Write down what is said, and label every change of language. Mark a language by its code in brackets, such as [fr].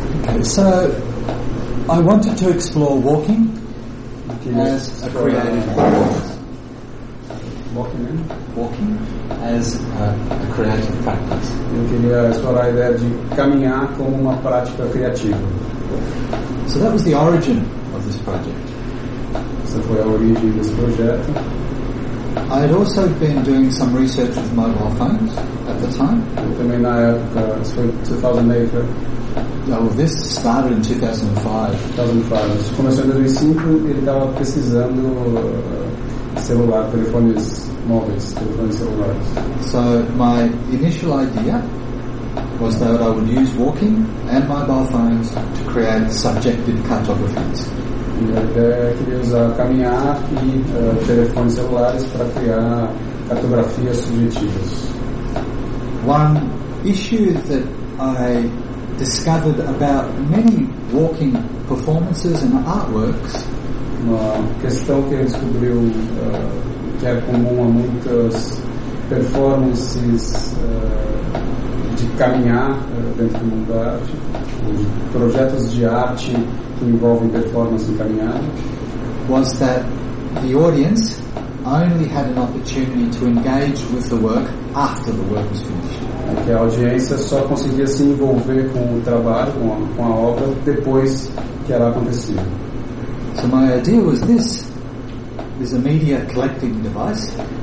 [en] Okay, so I wanted to explore walking. Okay, as a creative Walking as a creative practice. [pt] Eu queria explorar a ideia de caminhar como uma prática criativa. [en] So that was the origin of this project. [pt] Essa foi a origem desse projeto. [en] I had also been doing some research with mobile phones at the time. [pt] Eu também na época, isso foi 2008. [en] Now, this started in 2005. [pt] Isso começou em 2005, ele estava pesquisando celular, telefones móveis, telefones celulares. [en] So, my initial idea was that I would use walking and mobile phones to create subjective cartographies. [pt] Minha ideia é que eu ia usar caminhar e telefones celulares para criar cartografias subjetivas. [en] One issue that I discovered about many walking performances and artworks, [pt] uma questão que eu descobri que é comum a muitas performances de caminhar dentro do mundo da arte, projetos de arte que envolvem performance em caminhar, [en] was that the audience only had an opportunity to engage with the work after the work was finished. [pt] Que a audiência só conseguia se envolver com o trabalho, com a obra, depois que ela acontecia. [en] So my idea was this, is a media collecting device.